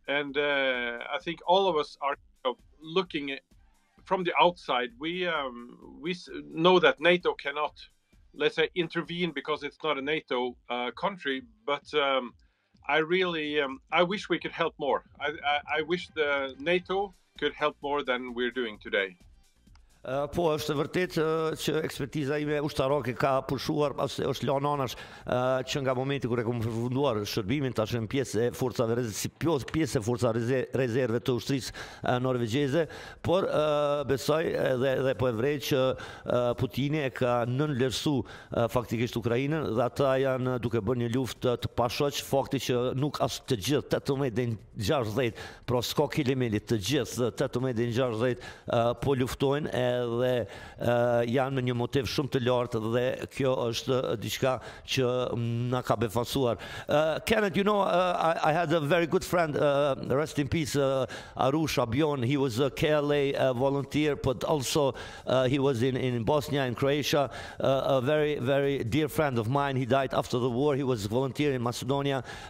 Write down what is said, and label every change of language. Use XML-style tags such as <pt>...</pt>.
<en>And I think all of us are looking from the outside. We know that NATO cannot, let's say, intervene because it's not a NATO country. But I wish we could help more. I wish the NATO could help more than we're doing today.</en> <sq>Po, është vërtet që ekspertiza ime ushtarake ka pushuar, është lënë anash që nga momenti kur e kam përfunduar shërbimin, tash jam pjesë e forcave rezerve, pjesë e forcave rezerve të ushtrisë norvegjeze, por besoj edhe po e vrej që Putini e ka nënvlerësu faktikisht Ukrainën dhe ata janë duke bërë një luftë të pashoqë, fakti që nuk as të gjithë 18-60, pra s'ka kilimili të gjithë 18-60 po luftojnë edhe janë një motiv shumë të lartë dhe kjo është diçka që na ka befasuar.</sq> <en>Kenneth, you know, I had a very good friend, rest in peace, Arush Abion. He was a KLA volunteer, but also he was in Bosnia, in Croatia, a very, very dear friend of mine. He died after the war. He was a volunteer in Macedonia.</en>